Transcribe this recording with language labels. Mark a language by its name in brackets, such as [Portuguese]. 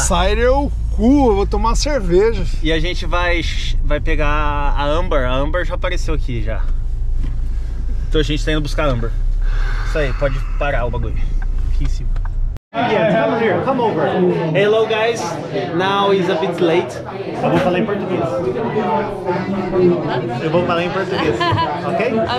[Portuguese] Cider é o cu, eu vou tomar cerveja. E a gente vai pegar a Amber já apareceu aqui já. Então a gente tá indo buscar a Amber. Isso aí, pode parar o bagulho. Aqui em cima. [English] Come over. Hello guys, now is a bit late. [Portuguese] Eu vou falar em português. Eu vou falar em português, ok?